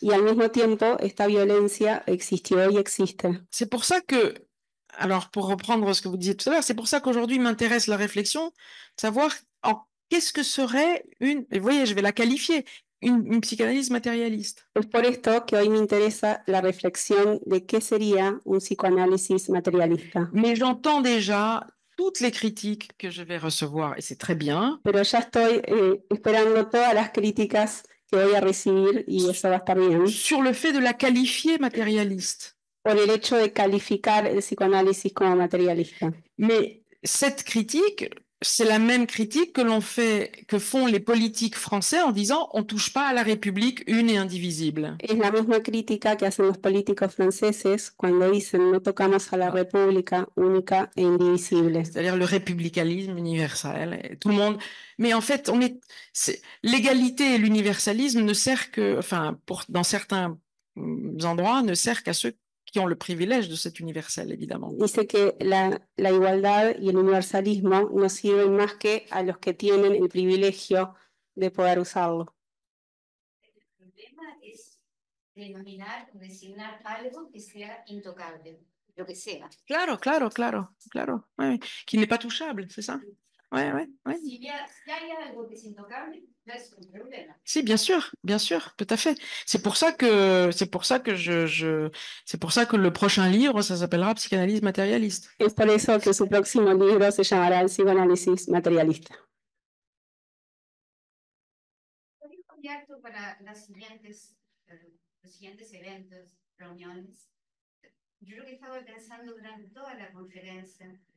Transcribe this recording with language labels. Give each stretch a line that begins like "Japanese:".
Spanish: Y al mismo tiempo, esta violencia existió y existe.
French: C'est pour ça que, alors pour reprendre ce que vous disiez tout à l'heure, c'est pour ça qu'aujourd'hui m'intéresse la réflexion, savoir qu'est-ce que serait une, vous voyez, je vais la qualifier, une psychanalyse matérialiste.
Spanish: Es por esto que hoy me interesa la reflexión de qué sería un psicoanálisis materialista.
French: Mais j'entends déjà toutes les critiques que je vais recevoir, et c'est très bien.
Spanish: Pero ya estoy esperando todas las críticas que voy a recibir y eso va a estar bien.
French: Sur le fait de la qualifier matérialiste.
Spanish: Por el hecho de calificar el psicoanálisis como materialista.
French: Mais cette critique, c'est la même critique que font les politiques français en disant on touche pas à la République une et indivisible.
Spanish: Es la misma crítica que hacen los políticos franceses cuando dicen no tocamos a la República única e indivisible.
French: C'est-à-dire le républicanisme universel, tout le monde. Mais en fait, l'égalité et l'universalisme ne sert que, enfin, dans certains endroits, ne sert qu'à ceux qui ont le privilège de cet universel, évidemment.
Spanish: Dice que la igualdad y el universalismo no sirven más que a los que tienen el privilegio de poder usarlo. El problema es denominar o designar algo que sea intocable, lo que sea. Claro, claro, claro, claro. Ouais, ouais.
French: Qui n'est pas touchable, c'est ça? Ouais, ouais, ouais.
Spanish: Si hay algo que es intocable,
French: Si, bien sûr, tout à fait. C'est pour ça que le prochain livre, ça s'appellera Psychanalyse matérialiste.
Spanish: Es por eso que su próximo libro se llamará el psicoanálisis materialista. ¿Tienes contacto para los siguientes eventos, reuniones? Yo creo que estaba pensando durante toda la conferencia,